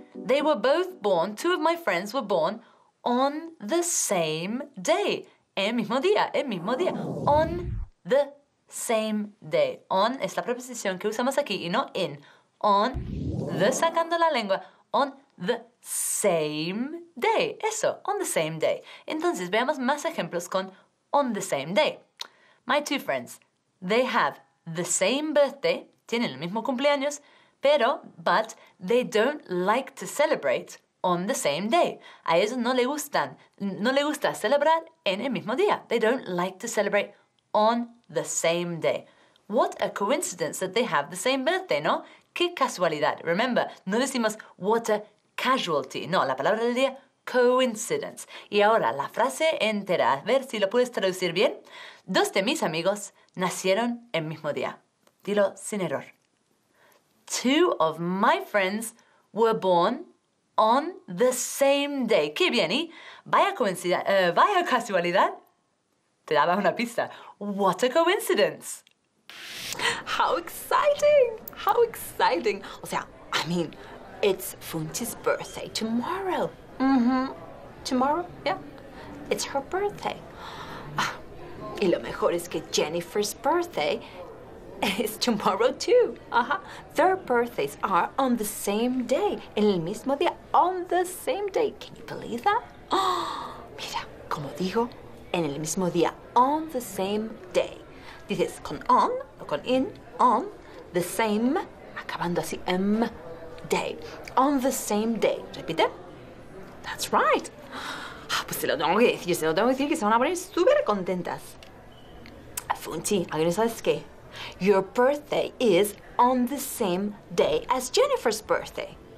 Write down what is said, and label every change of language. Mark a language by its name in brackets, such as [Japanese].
[English] They were both born, two of my friends were born on the same day. [Spanish] El mismo día, [English] on the same day. [Spanish] On es la preposición que usamos aquí y no in. [English] On the, [Spanish] sacando la lengua, [English] on the same day. Eso, on the same day. [Spanish] Entonces, veamos más ejemplos con [English] on the same day. My two friends, they have the same birthday, [Spanish] tienen el mismo cumpleaños, pero, [English] but, they don't like to celebrate on the same day. [Spanish] A ellos no les gustan, no les gusta celebrar en el mismo día. [English] They don't like to celebrate on the same day. What a coincidence that they have the same birthday, ¿no? [Spanish] ¡Qué casualidad! Remember, no decimos [English] what a casualty. [Spanish] No, la palabra del día, coincidence. Y ahora, la frase entera. A ver si lo puedes traducir bien. Dos de mis amigos nacieron el mismo día. Dilo sin error. [English] Two of my friends were born on the same day. [Spanish] ¡Qué bien! ¿Y? ¡Vaya coincidencia! ¡Vaya casualidad! Te daba una pista. [English] What a coincidence. How exciting! [Spanish] O sea, [English] I mean, it's Funchi's birthday tomorrow. Tomorrow? Yeah. It's her birthday. Ah, [Spanish] y lo mejor es que [English] Jennifer's birthday is tomorrow too. Their birthdays are on the same day. [Spanish] En el mismo día. [English] On the same day. Can you believe that? [Spanish] Mira, como digo, en el mismo día. [English] On the same day. Dices con on o con in, on, the same, [Spanish] acabando así, [English] m, day. On the same day. [Spanish] Repite. [English] That's right. [Spanish] Pues se lo tengo que decir, se lo tengo que decir que se van a poner súper contentas. Funchi, ¿alguien sabe qué? [English] Your birthday is on the same day as Jennifer's birthday.